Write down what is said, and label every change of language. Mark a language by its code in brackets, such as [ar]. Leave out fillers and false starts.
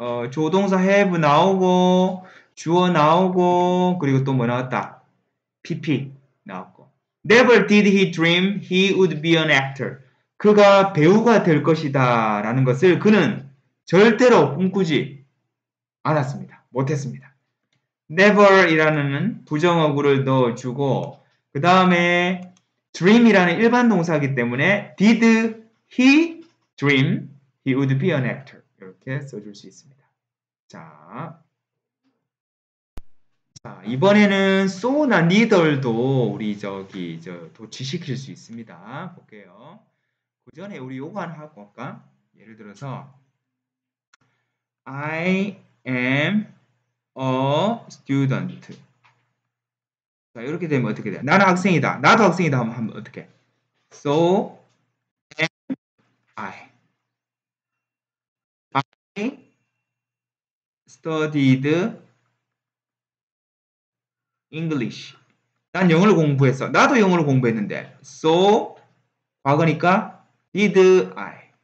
[ko] 조동사 have 나오고 주어 나오고 그리고 또 뭐 나왔다? PP 나왔고 [en] Never did he dream he would be an actor. [ko] 그가 배우가 될 것이다 라는 것을 그는 절대로 꿈꾸지 않았습니다. 못했습니다. never 이라는 부정어구를 넣어주고 그 다음에 dream 이라는 일반 동사이기 때문에 [en] did he dream he would be an actor [ko] 이렇게 써줄 수 있습니다. 자, 자 이번에는 so나 neither도 우리 저기 저 도치시킬 수 있습니다. 볼게요. 그 전에 우리 요거 하나 하고 할까? 예를 들어서 [en] I am a student. [ko] 자, 이렇게 되면 어떻게 돼? 나는 학생이다. 나도 학생이다. 한번 어떻게? [en] So am I. I studied English. [ko] 난 영어를 공부했어. 나도 영어를 공부했는데. [en] So [ko] 과거니까 [en] did I.